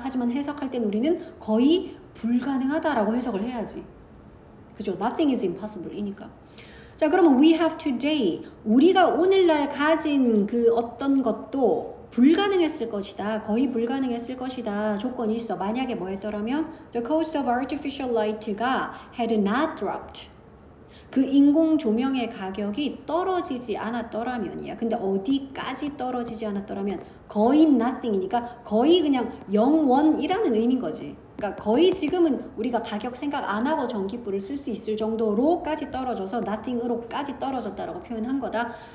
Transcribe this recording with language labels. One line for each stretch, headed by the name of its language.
Korean: 하지만 해석할 땐 우리는 거의 불가능하다라고 해석을 해야지. 그죠?
English: Nothing is impossible이니까.
Korean: 자, 그러면
English: we have today.
Korean: 우리가 오늘날 가진 그 어떤 것도 불가능했을 것이다. 거의 불가능했을 것이다. 조건이 있어. 만약에 뭐 했더라면
English: the cost of artificial light가 had not dropped.
Korean: 그 인공 조명의 가격이 떨어지지 않았더라면이야. 근데 어디까지 떨어지지 않았더라면 거의 nothing이니까 거의 그냥 0원이라는 의미인 거지. 그러니까 거의 지금은 우리가 가격 생각 안 하고 전기불을 쓸 수 있을 정도로까지 떨어져서 nothing으로까지 떨어졌다라고 표현한 거다.